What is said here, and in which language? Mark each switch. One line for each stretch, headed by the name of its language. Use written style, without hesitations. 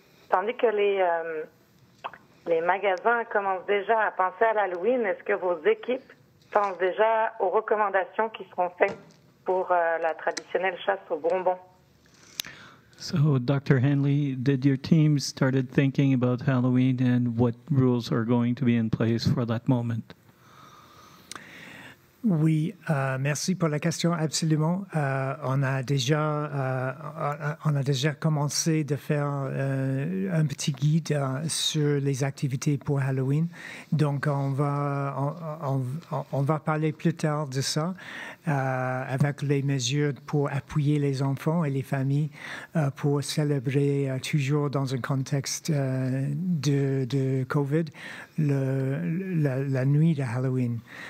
French: Tandis que les magasins commencent déjà à penser à l'Halloween, est-ce que vos équipes pensent déjà aux recommandations qui seront faites pour la traditionnelle chasse aux bonbons?
English: So, Dr. Hanley, did your team started thinking about Halloween and what rules are going to be in place for that moment?
French: Oui, merci pour la question. Absolument, on a déjà commencé de faire un petit guide sur les activités pour Halloween. Donc, on va parler plus tard de ça avec les mesures pour appuyer les enfants et les familles pour célébrer toujours dans un contexte de COVID la nuit de Halloween.